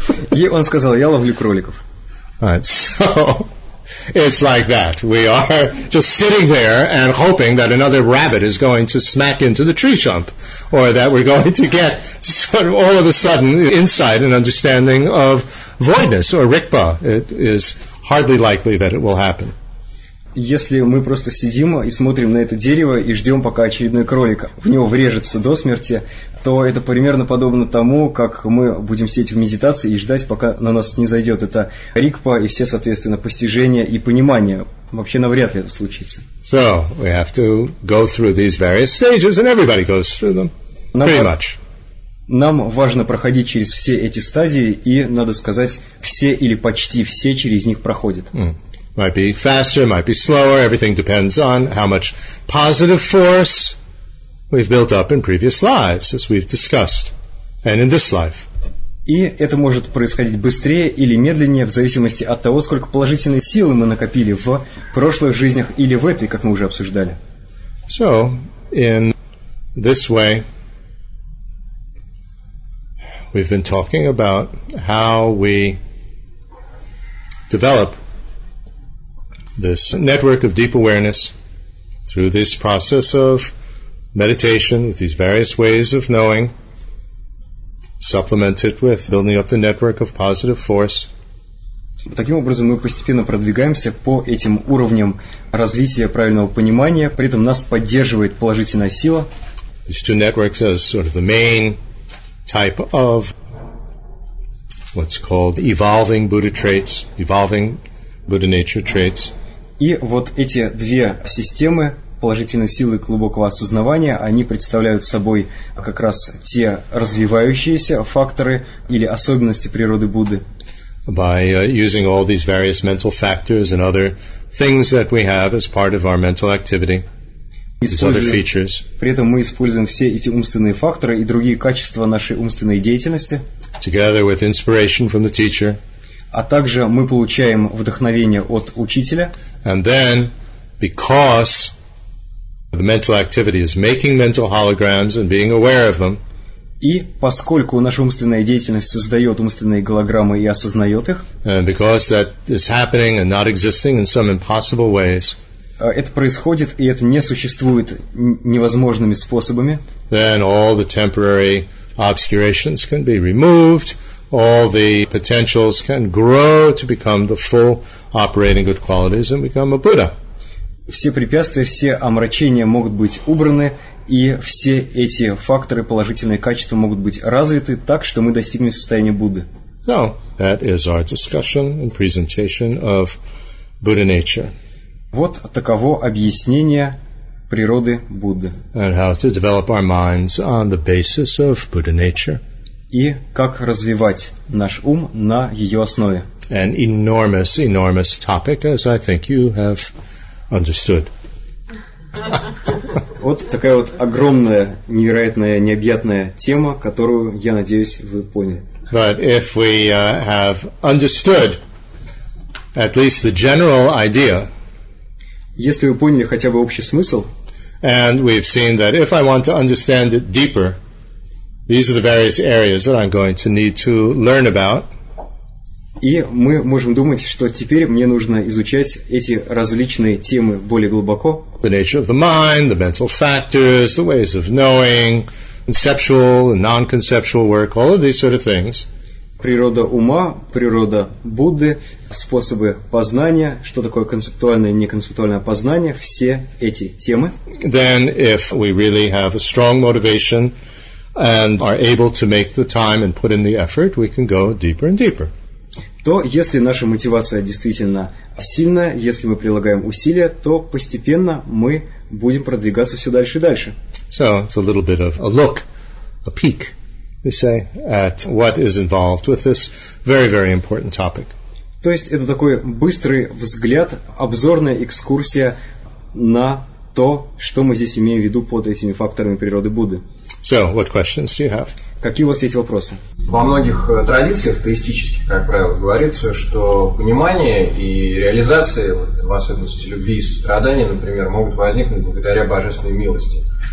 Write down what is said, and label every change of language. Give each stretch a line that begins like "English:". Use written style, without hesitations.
Russian: И он сказал, я ловлю кроликов.
English: Right. So, it's like that. We are just sitting there and hoping that another rabbit is going to smack into the tree stump, or that we're going to get sort of all of a sudden insight and understanding of voidness or rikpa. It is hardly likely that it will happen.
Russian: Если мы просто сидим и смотрим на это дерево и ждем, пока очередной кролик в него врежется до смерти, то это примерно подобно тому, как мы будем сидеть в медитации и ждать, пока на нас не зайдет это рикпа и все, соответственно, постижения и понимания. Вообще навряд ли это случится.
English: So, we have to go through these various stages, and everybody goes through them, pretty much.
Russian: Нам важно проходить через все эти стадии, и, надо сказать, все или почти все через них проходят.
English: Might be faster, might be slower, everything depends on how much positive force we've built up in previous lives, as we've discussed, and in this life.
Russian: И это может происходить быстрее или медленнее, в зависимости от того, сколько положительной силы мы накопили в прошлых жизнях или в этой, как мы уже обсуждали.
English: So, in this way, we've been talking about how we develop this network of deep awareness through this process of meditation with these various ways of knowing, supplemented with building up the network of positive force.
Russian: Таким образом, мы постепенно продвигаемся по этим уровням развития правильного понимания, при этом нас поддерживает положительная сила.
English: These two networks are sort of the main type of what's called evolving Buddha traits, evolving Buddha nature traits.
Russian: И вот эти две системы положительной силы глубокого осознавания, они представляют собой как раз те развивающиеся факторы или особенности природы Будды.
English: By using all these various mental factors and other things that we have as part of our mental activity, these other features.
Russian: При этом мы используем все эти умственные факторы и другие качества нашей умственной деятельности.
English: Together with inspiration from the teacher.
Russian: А также мы получаем вдохновение от учителя.
English: And then, because the mental activity is making mental holograms and being aware of them,
Russian: и поскольку наша умственная деятельность создает умственные голограммы и осознает их,
English: and because that is happening and not existing in some impossible ways,
Russian: это происходит и это не существует невозможными способами,
English: then all the temporary obscurations can be removed, all the potentials can grow to become the full operating good qualities and become a Buddha.
Russian: Все препятствия, все омрачения могут быть убраны, и все эти факторы, положительные качества могут быть развиты так, что мы достигнем состояния Будды.
English: So, that is our discussion and presentation of Buddha nature.
Russian: Вот таково объяснение природы Будды.
English: And how to develop our minds on the basis of Buddha nature.
Russian: И как развивать наш ум на ее основе.
English: An enormous, enormous topic, as I think you have understood.
Russian: Вот такая вот огромная, невероятная, необъятная тема, которую, я надеюсь, вы поняли.
English: But if we have understood at least the general idea,
Russian: если вы поняли хотя бы общий смысл,
English: and we've seen that if I want to understand it deeper, these are the various areas that I'm going to need to learn about.
Russian: И мы можем думать, что теперь мне нужно изучать эти различные темы более глубоко.
English: The nature of the mind, the mental factors, the ways of knowing, conceptual and non-conceptual work, all of these sort of things.
Russian: Природа ума, природа Будды, способы познания, что такое концептуальное и неконцептуальное познание, все эти темы.
English: Then if we really have a strong motivation and are able to make the time and put in the effort, we can go deeper and deeper.
Russian: То если наша мотивация действительно сильная, если мы прилагаем усилия, то постепенно мы будем продвигаться все дальше и дальше.
English: So, it's a little bit of a look, a peek, we say, at what is involved with this very, very important topic.
Russian: То есть это такой быстрый взгляд, обзорная экскурсия на то, что мы здесь имеем в виду под этими факторами природы Будды.
English: So, what questions do you have?
Russian: Какие у вас есть вопросы? Во многих традициях теистических, как правило, говорится, что понимание и реализация вот, в особенности любви и сострадания, например, могут возникнуть благодаря божественной милости.